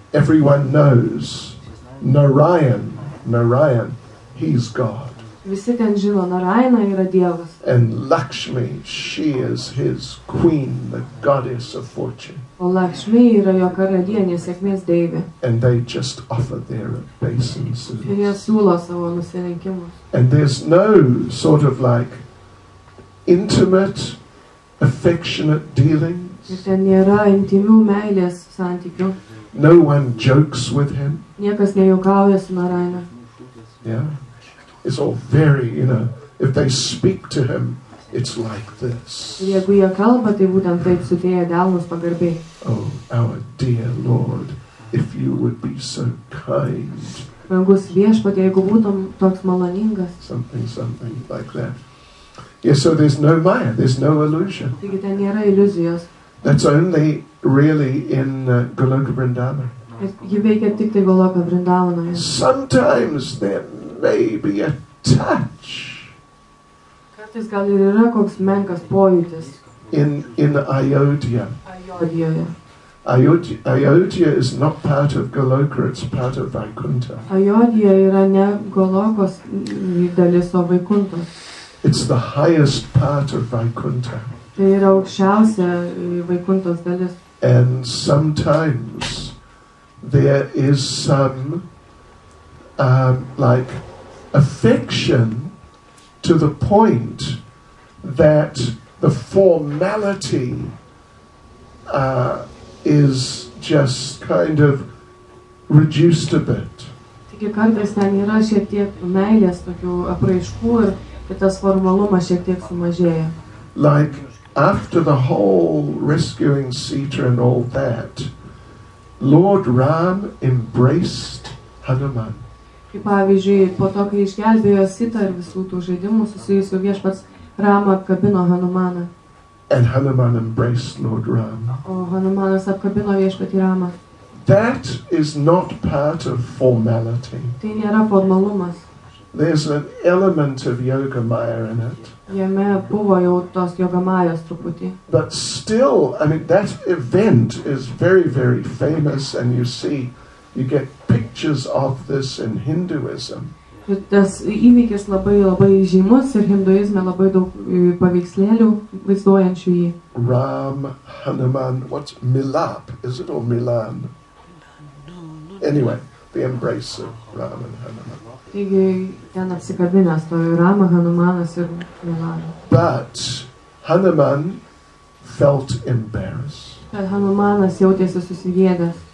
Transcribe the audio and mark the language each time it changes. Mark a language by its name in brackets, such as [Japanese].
[English] Everyone knows Narayan, he's God. [Lithuanian] Visi ten žino, Narayana yra Dievas. [English] And Lakshmi, she is his queen, the goddess of fortune. [Lithuanian] O Lakshmi yra jo karalienė, sėkmės deivė. [English] And they just offer their obeisances. [Lithuanian] Ir jie siūlo savo nusirinkimus. [English] And there's no sort of like intimate affectionate dealings. [Lithuanian] Ir ten nėra intimių meilės santykių. [English] No one jokes with him. [Lithuanian] Niekas nejuokauja su Narayana. [English] Yeah. It's all very, you know, if they speak to him, it's like this. [Lithuanian] Jeigu jie kalba, tai būtent taip sudėję delnus pagarbiai. [English] Oh, our dear Lord, if you would be so kind. [Lithuanian] Brangus Viešpatie, jeigu būtum toks maloningas. [English] Something like that. Yeah, so there's no maya, there's no illusion. [Lithuanian] Taigi ten nėra iliuzijos. [English] That's only really in Goloka Vrindavan. [Lithuanian] Ji veikia tik tai Goloka Vrindavanoje. [English] Sometimes there may be a touch. [Lithuanian] Kartais gal ir yra koks menkas pojūtis. [English] In Ayodhya. [Lithuanian] Ayodhyoje. [English] Ayodhya is not part of Goloka, it's part of Vaikuntha. [Lithuanian] Ayodhya yra ne Golokos dalis, o Vaikuntos. [English] It's the highest part of Vaikuntha. [Lithuanian] Tai yra aukščiausia Vaikuntos dalis. [English] And sometimes there is some like affection to the point that the formality is just kind of reduced a bit. [Lithuanian] Taigi kartais ten yra šiek tiek meilės tokių apraiškų ir tas formalumas šiek tiek sumažėja. [English] Like after the whole rescuing Sita and all that, Lord Ram embraced Hanuman. [Lithuanian] Kaip pavyzdžiui, po to, kai išgelbėjo Sita ir visų tų žaidimų susijusių, Viešpats Ramą apkabino Hanumaną. [English] And Hanuman embraced Lord Ram. [Lithuanian] O Hanumanas apkabino Viešpatį Ramą. [English] That is not part of formality. [Lithuanian] Tai nėra formalumas. [English] There's an element of yoga maya in it. [Lithuanian] Jame buvo jau tos yoga majos truputį. [English] But still, I mean, that event is very, very famous, and you see, you get pictures of this in Hinduism. [Lithuanian] Tas įvykis labai, labai žymus, ir hinduizme labai daug paveikslėlių vaizduojančių jį. [English] Ram, Hanuman, what's Milap? Is it or Milan? No. Anyway, the embrace of Ram and Hanuman. [Lithuanian] Taigi ten apsikabinęs to Rama, Hanumanas ir Milano. [English] But Hanuman felt embarrassed. [Lithuanian] Hanumanas jautėsi susigėdęs.